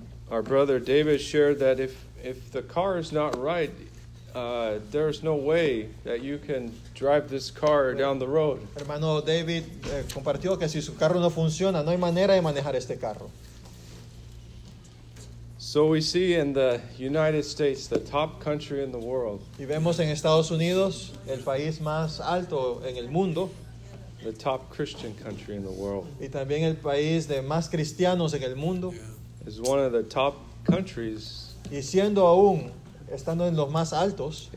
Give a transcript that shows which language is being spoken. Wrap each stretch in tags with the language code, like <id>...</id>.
<en>Our brother David shared that if the car is not right, there's no way that you can drive this car down the road.</en> <es>Hermano David compartió que si su carro no funciona, no hay manera de manejar este carro.</es> <en>So we see in the United States, the top country in the world.</en> <es>Y vemos en Estados Unidos, el país más alto en el mundo.</es> <en>The top Christian country in the world.</en> <es>Y también el país de más cristianos en el mundo.</es> <en>Is one of the top countries.</en> <es>Y siendo aún estando en los más altos.</es>